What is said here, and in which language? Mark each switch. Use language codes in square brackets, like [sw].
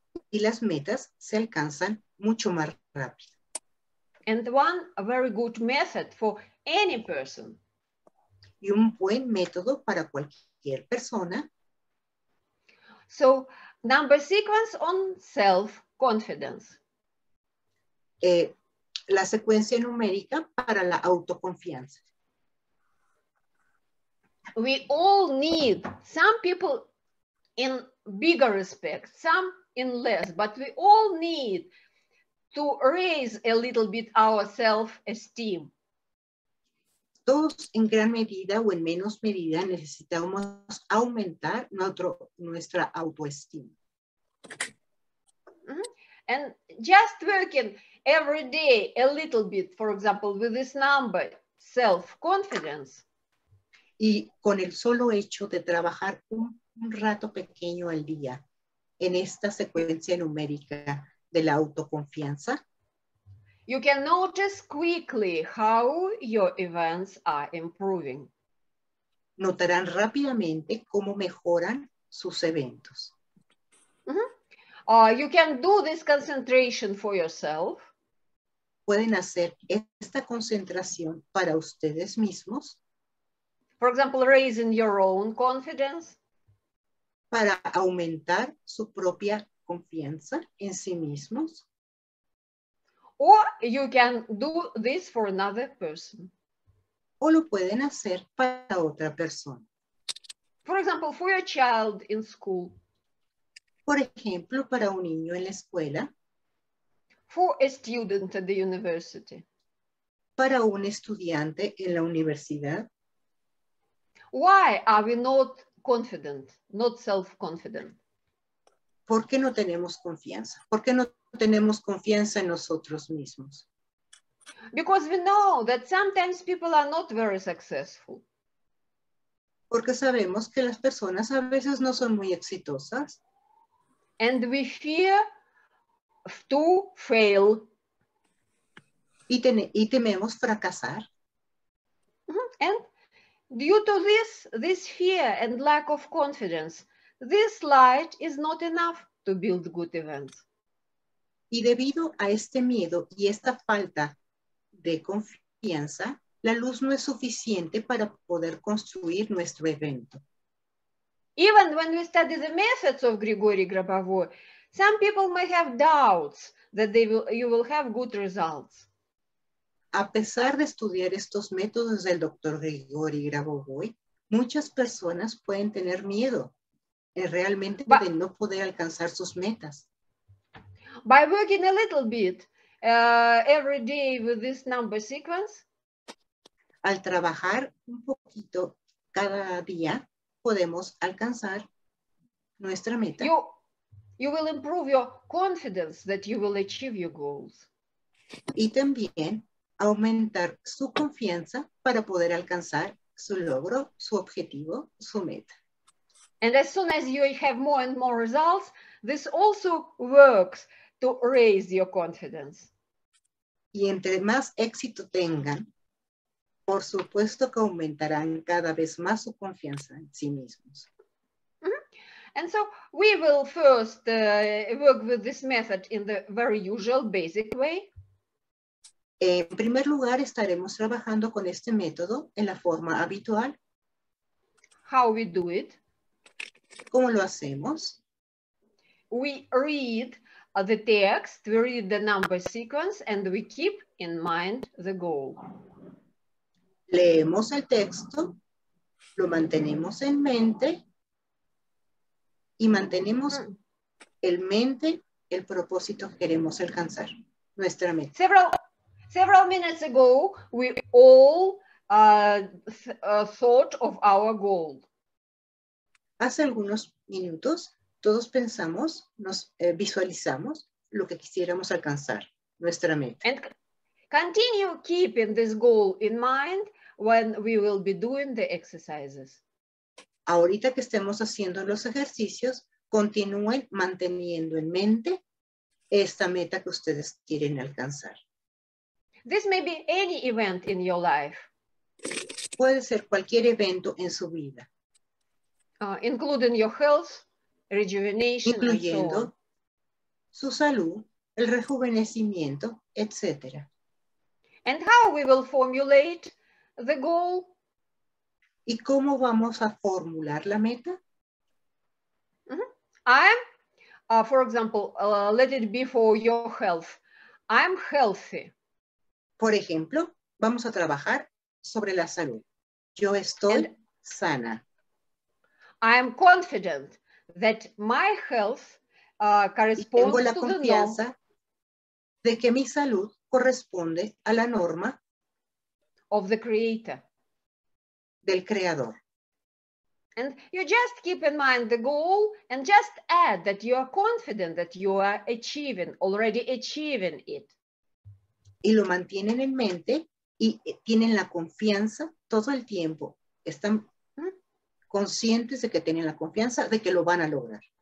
[es] Y las metas se alcanzan mucho más rápido. [en] And one very good method for any person. [es] Y un buen método para cualquier persona. [en] So, number sequence on self-confidence. [es] La secuencia numérica para la autoconfianza. [en] We all need some people in bigger respect, some in less, but we all need to raise a little bit our self-esteem. [es] Todos en gran medida o en menos medida necesitamos aumentar nuestra autoestima. [en] And just working every day a little bit, for example, with this number, self-confidence. [es] Y con el solo hecho de trabajar un rato pequeño al día en esta secuencia numérica de la autoconfianza. [en] You can notice quickly how your events are improving. [es] Notarán rápidamente cómo mejoran sus eventos. [en] You can do this concentration for yourself. [es] Pueden hacer esta concentración para ustedes mismos. [en] For example, raising your own confidence. [es] Para aumentar su propia confianza en sí mismos. [en] Or you can do this for another person. [es] O lo pueden hacer para otra persona. [en] For example, for your child in school. [es] Por ejemplo, para un niño en la escuela. [en] For a student at the university. [es] Para un estudiante en la universidad. [en] Why are we not confident, not self-confident? [es] ¿Por qué no tenemos confianza? ¿Por qué no tenemos confianza en nosotros mismos? [en] Because we know that sometimes people are not very successful. [es] Porque sabemos que las personas a veces no son muy exitosas. [en] And we fear to fail. [es] Y tememos fracasar. [en] And due to this fear and lack of confidence, this light is not enough to build good events. [es] Y debido a este miedo y esta falta de confianza, la luz no es suficiente para poder construir nuestro evento. [en] Even when we study the methods of Grigori Grabovoi, some people may have doubts that you will have good results. [es] A pesar de estudiar estos métodos del Dr. Grigori Grabovoi, muchas personas pueden tener miedo realmente de no poder alcanzar sus metas. [en] By working a little bit every day with this number sequence. [es] Al trabajar un poquito cada día, podemos alcanzar nuestra meta. [en] You will improve your confidence that you will achieve your goals. [es] Y también aumentar su confianza para poder alcanzar su logro, su objetivo, su meta. [en] And as soon as you have more and more results, this also works to raise your confidence. [es] Y entre más éxito tengan, por supuesto que aumentarán cada vez más su confianza en sí mismos. [en] And so we will first work with this method in the very usual basic way. [es] En primer lugar, estaremos trabajando con este método en la forma habitual. [en] How we do it? [es] ¿Cómo lo hacemos? [en] We read the text, we read the number sequence, and we keep in mind the goal. [es] Leemos el texto, lo mantenemos en mente, y mantenemos en mente el propósito que queremos alcanzar, nuestra meta. [en] Several minutes ago, we all thought of our goal. [es] Hace algunos minutos, todos pensamos, nos visualizamos lo que quisiéramos alcanzar, nuestra meta. [en] And continue keeping this goal in mind when we will be doing the exercises. [es] Ahorita que estemos haciendo los ejercicios, continúen manteniendo en mente esta meta que ustedes quieren alcanzar. [en] This may be any event in your life. [es] Puede ser cualquier evento en su vida. [en] Including your health, rejuvenation, [es] incluyendo [en] and so on. [es] Su salud, el rejuvenecimiento, etc. [en] And how we will formulate the goal? [es] ¿Y cómo vamos a formular la meta? [en] Let it be for your health. I'm healthy. [es] Por ejemplo, vamos a trabajar sobre la salud. Yo estoy and sana. [en] I am confident that my health corresponds to the norm. [es] Tengo la confianza de que mi salud corresponde a la norma [en] of the creator. [es] Del creador. [en] And you just keep in mind the goal and just add that you are confident that you are achieving, already achieving it. [es] Y lo mantienen en mente y tienen la confianza todo el tiempo. Están conscientes de que tienen la confianza de que lo van a lograr.